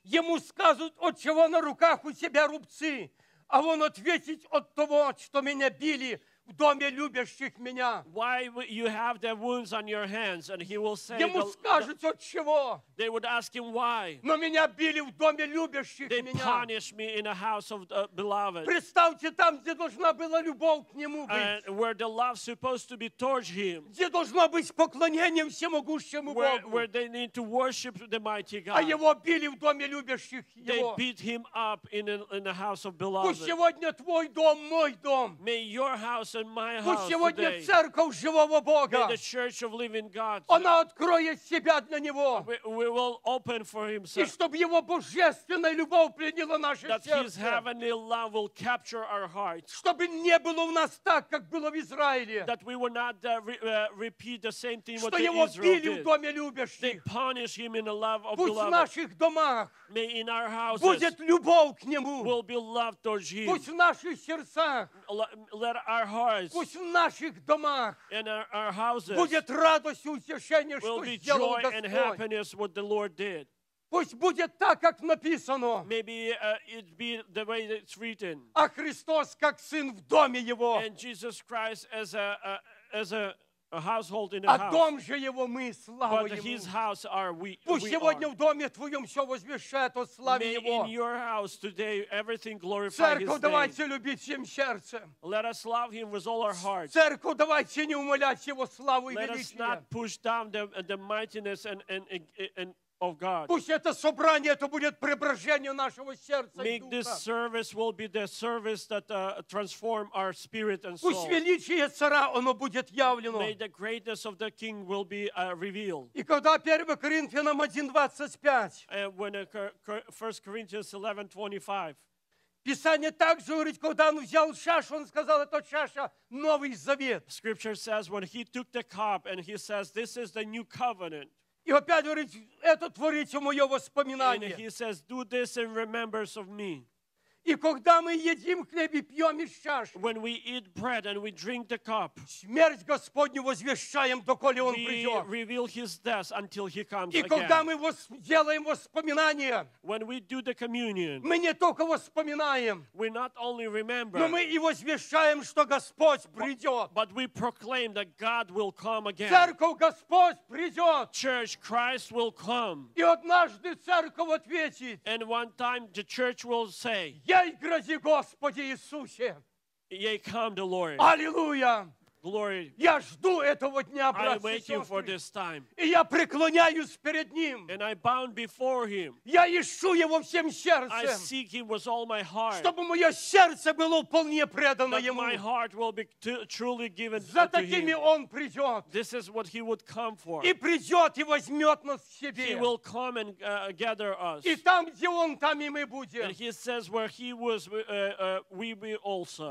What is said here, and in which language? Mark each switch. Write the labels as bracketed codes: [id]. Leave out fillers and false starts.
[ru] Ему скажут, от чего на руках у себя рубцы, а он ответит от того, что меня били в доме любящих меня. [en] Why you have the wounds on your hands? And he will say. [ru] Ему скажут, от чего? [en] They would ask him why. [ru] Но меня били в доме любящих меня. [en] They punished me in a house of the beloved. [ru] Представьте там, где должна была любовь к нему быть. [en] Where the love supposed to be towards him. [ru] Где должно быть поклонение всемогущему Богу. [en] Where they need to worship the mighty God. [ru] А его били в доме любящих его. [en] They beat him up in a house of beloved. [ru] Пусть сегодня твой дом мой дом. [en] May your house in my house. [ru] Пусть сегодня церковь живого Бога. [en] May the church of living God. [ru] Она откроет себя для него. [en] We will open for him. [ru] И чтобы его божественная любовь пленила наше [en] that [ru] сердце. [en] His heavenly love will capture our hearts. [ru] Чтобы не было у нас так, как было в Израиле. [en] That we will not repeat the same thing [ru] что [en] what [ru] его [en] the Israel [ru] били [en] did. [ru] В доме любящих. [en] They punish him in the love of [ru] пусть [en] beloved. [ru] В наших домах. [en] May in our houses. [ru] Будет любовь к нему. [en] Will be love towards him. [ru] Пусть в наших сердцах. [en] Let our [ru] пусть в наших домах [en] in our houses, [ru] будет радость и утешение, что сделал Господь. [en] Will be joy and happiness what the Lord did. [ru] Пусть будет так, как написано. [en] Maybe it be the way it's written. [ru] А Христос как сын в доме его. [en] And Jesus Christ as a household in a [ru] а [en] house. [ru] А дом же его мы, слава [en] but [ru] ему. [en] But his house are we. [ru] Пусть [en] we [ru] сегодня [en] are. [ru] В доме твоем все возвещает о славе [en] may [ru] его. [en] May in your house today everything glorify [ru] церковь, [en] his name. [ru] Церковь, давайте любить всем сердцем. [en] Let us love him with all our hearts. [ru] Церковь, давайте не умолять его славу [en] let [ru] и величие. [en] Let us not push down the mightiness and of God. [ru] Пусть это собрание, это будет преображение нашего сердца [en] make [ru] и духа. [en] This service will be the service that transform our spirit and soul. [ru] Пусть величие царя, оно будет явлено. [en] May the greatness of the king will be revealed. [ru] И когда 1 Коринфянам 1:25. [en] And when 1 Corinthians 11:25. [ru] Писание также говорит, когда он взял чашу, он сказал, это чаша новый завет. [en] Scripture says when he took the cup and he says this is the new covenant. [ru] И опять говорит, это творится мое воспоминание. [en] And he says, do this in remembrance of me. [ru] И когда мы едим хлеб и пьем из чаши, [en] when we eat bread and we drink the cup, [ru] смерть Господню возвещаем, доколе Он придет. [en] We reveal His death until He comes again. [ru] И когда мы делаем воспоминания, [en] when we do the communion, [ru] мы не только воспоминаем, [en] we not only remember, [ru] но мы и возвещаем, что Господь придет. [en] But we proclaim that God will come again. [ru] Церковь Господь придет. [en] Church, Christ will come. [ru] И однажды церковь ответит. [en] And one time the church will say, [ru] ей грози, Господи Иисусе! [en] Ей come, the Lord! [ru] Аллилуйя! [en] Glory! [ru] Я жду этого дня, братья и сестры! [en] I'm waiting for this time. [ru] И я преклоняюсь перед Ним! [en] And I bow before Him. [ru] Я ищу Его всем сердцем! [en] I seek Him with all my heart. [ru] Чтобы мое сердце было вполне предано Ему! [en] My heart will be truly given [ru] за такими [en] to him. [ru] Он придет! [en] This is what He would come for. [ru] И придет, и возьмет нас в себе! [en] He will come and gather us. [ru] И там, где Он, там и мы будем! [en] And He says where He was, we be also.